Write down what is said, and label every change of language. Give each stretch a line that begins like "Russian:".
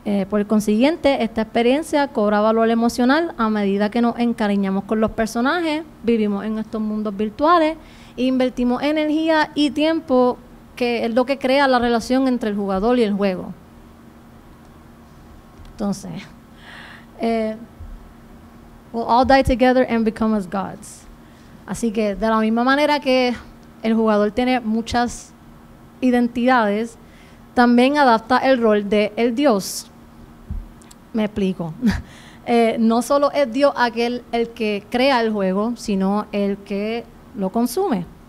Spanish: Por consiguiente, esta experiencia cobra valor emocional a medida que nos encariñamos con los personajes, vivimos en estos mundos virtuales e invertimos energía y tiempo, que es lo que crea la relación entre el jugador y el juego.
English: Entonces, we'll all die together and become as gods.
Spanish: Así que de la misma manera que el jugador tiene muchas identidades, también adapta el rol de el dios. Me explico. No solo es Dios aquel el que crea el juego, sino el que lo consume.